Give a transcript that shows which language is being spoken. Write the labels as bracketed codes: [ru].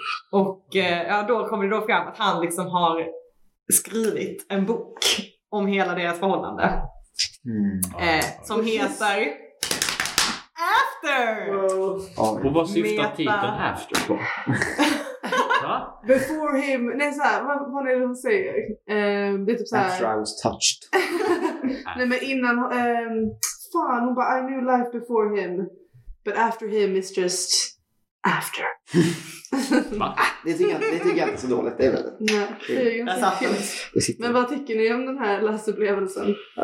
[sv] Och ja, då kommer det då fram att han liksom har skrivit en bok om hela deras förhållande. Som heter After. Och vad syftar titeln After på? [en] Before him, [sv] nej så här, vad är det hon säger? Det är typ så här, [en] after I was touched. [sv] Nej men innan, fan, hon bara, [en] I knew life before him, but after him is just after. [sv] det tycker jag inte så dåligt, det är väl. Nej, det är ju inte så. Men vad tycker ni om den här läsupplevelsen?